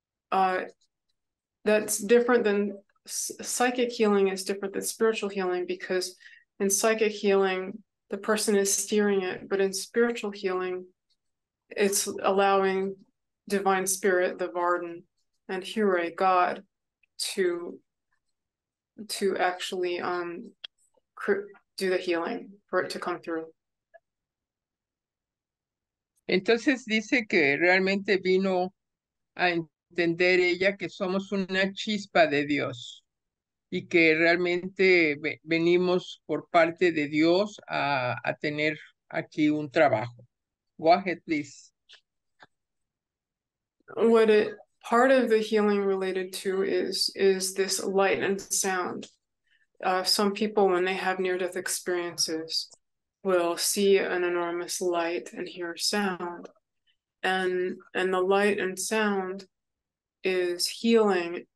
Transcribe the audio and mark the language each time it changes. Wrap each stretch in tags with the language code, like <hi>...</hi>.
<en>That's different than psychic healing, is different than spiritual healing, because in psychic healing, the person is steering it, but in spiritual healing, it's allowing divine spirit, the Varden, and Hure, God, to actually do the healing, for it to come through.</en> <es>Entonces dice que realmente vino a entender ella que somos una chispa de Dios y que realmente venimos por parte de Dios a tener aquí un trabajo.</es> <en>Go ahead, please. Part of the healing related to is this light and sound. Some people, when they have near-death experiences, will see an enormous light and hear sound. And the light and sound is healing.</en>